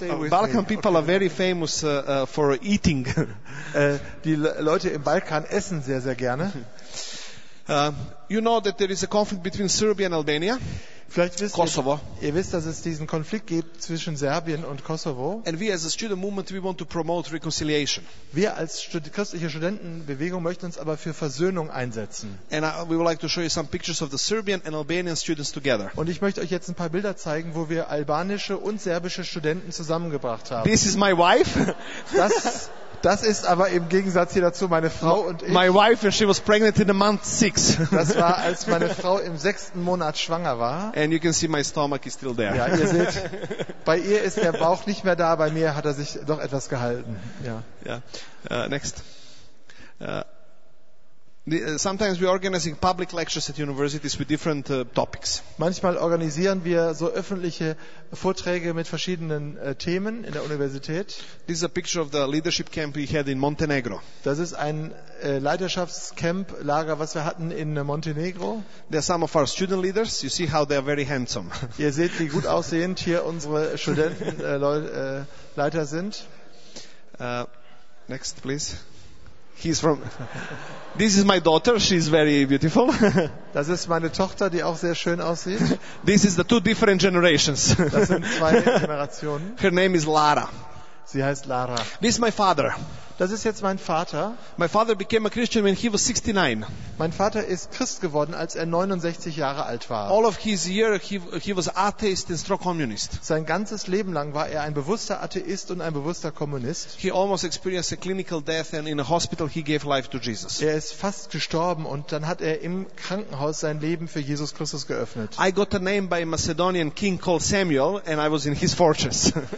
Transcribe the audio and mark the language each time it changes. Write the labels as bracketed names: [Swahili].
[English] Balkan people are very famous for eating. [German] Die Leute im Balkan essen sehr, sehr gerne. [English] You know that there is a conflict between Serbia and Albania. [German] Vielleicht wisst Kosovo. Ihr wisst, dass es diesen Konflikt gibt zwischen Serbien und Kosovo. [English] And we as a student movement we want to promote reconciliation. [German] Wir als christliche Studentenbewegung möchten uns aber für Versöhnung einsetzen. [English] And we would like to show you some pictures of the Serbian and Albanian students together. [German] Und ich möchte euch jetzt ein paar Bilder zeigen, wo wir albanische und serbische Studenten zusammengebracht haben. [English] This is my wife. [German] Das ist aber im Gegensatz hier dazu meine Frau und ich. [English] My wife and she was pregnant in the month 6. [German] Das war, als meine Frau im 6. Monat schwanger war. [English] And you can see my stomach is still there. [German] Ja, ihr seht, bei ihr ist der Bauch nicht mehr da, bei mir hat er sich doch etwas gehalten. Ja. [English] Yeah. Next. Sometimes we are organizing public lectures at universities with different topics. [German] Manchmal organisieren wir so öffentliche Vorträge mit verschiedenen Themen in der Universität. [English] This is a picture of the leadership camp we had in Montenegro. [German] Das ist ein Leiterschaftscamp-Lager, was wir hatten in Montenegro. [English] There are some of our student leaders. You see how they are very handsome. [German] Ihr seht, wie gut aussehend hier unsere Studenten Leiter sind. [English] Next, please. He's from. This is my daughter. She's very beautiful. [German] Das ist meine Tochter, die auch sehr schön aussieht. [English] This is the two different generations. [German] Das sind zwei Generationen. [English] Her name is Lara. [German] Sie heißt Lara. [English] This is my father. [German] Das ist jetzt mein Vater. [English] My father became a Christian when he was 69. [German] Mein Vater ist Christ geworden, als er 69 Jahre alt war. [English] All of his year he was atheist and strong communist. [German] Sein ganzes Leben lang war er ein bewusster Atheist und ein bewusster Kommunist. [English] He almost experienced a clinical death and in a hospital he gave life to Jesus. [German] Er ist fast gestorben und dann hat er im Krankenhaus sein Leben für Jesus Christus geöffnet. [English] I got a name by a Macedonian king called Samuel and I was in his fortress.